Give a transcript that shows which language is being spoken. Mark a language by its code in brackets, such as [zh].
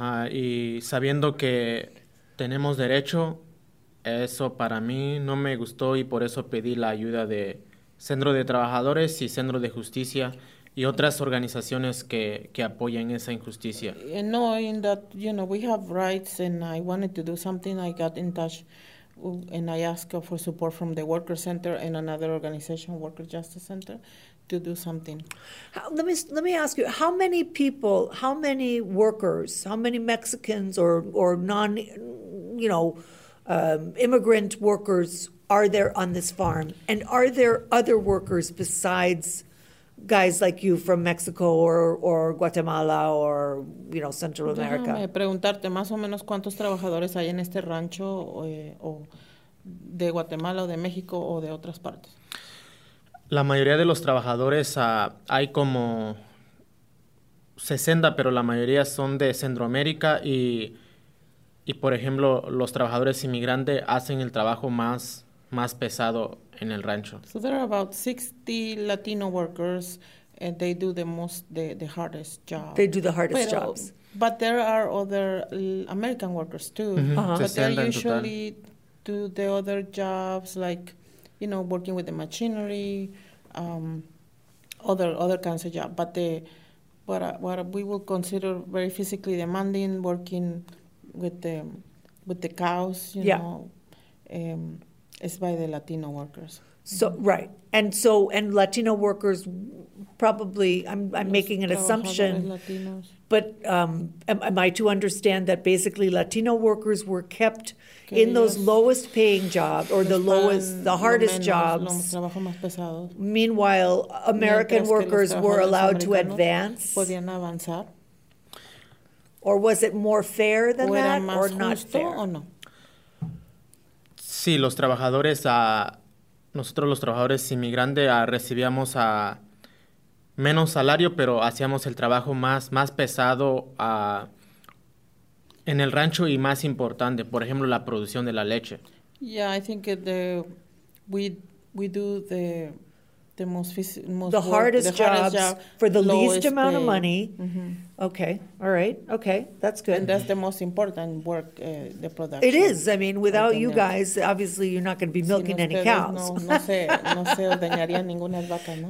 [es] Y sabiendo que tenemos derecho, eso para mí no me gustó y por eso pedí la ayuda de Centro de Trabajadores y Centro de Justicia y otras organizaciones que apoyen esa injusticia. [en] Knowing that, you know, we have rights and I wanted to do something, I got in touch and I asked for support from the Worker Center and another organization, Worker Justice Center, to do something. Let me ask you, how many workers, how many Mexicans or non, you know, immigrant workers are there on this farm? And are there other workers besides guys like you from Mexico or Guatemala or, you know, Central America? [es] Déjame preguntarte, más o menos cuántos trabajadores hay en este rancho o de Guatemala o de México o de otras partes. La mayoría de los trabajadores, hay como 60, pero la mayoría son de Centroamérica y por ejemplo, los trabajadores inmigrantes hacen el trabajo más pesado en el rancho. [en] So there are about 60 Latino workers and they do the hardest job. They do the hardest jobs. But there are other American workers too. Mm-hmm. Uh-huh. But they usually do the other jobs like, you know, working with the machinery, other kinds of jobs. But what we would consider very physically demanding, working with the cows, you know, is by the Latino workers. So right, and Latino workers probably. I'm making an assumption. But am I to understand that basically Latino workers were kept in those lowest paying jobs or the lowest, the hardest jobs? Meanwhile, American workers were allowed to advance? Or was it more fair than that or not fair? [es] Sí, los trabajadores, nosotros los trabajadores inmigrantes recibíamos a... menos salario, pero hacíamos el trabajo más pesado en el rancho y más importante, por ejemplo, la producción de la leche. [en] Yeah, I think we do the most the hardest jobs for the least amount of money. Mm-hmm. Okay, all right. Okay, that's good. And that's the most important work, the production. It is. I mean, without you guys, obviously you're not going to be milking any cows. [es] No se ordeñaría ninguna vaca, ¿no?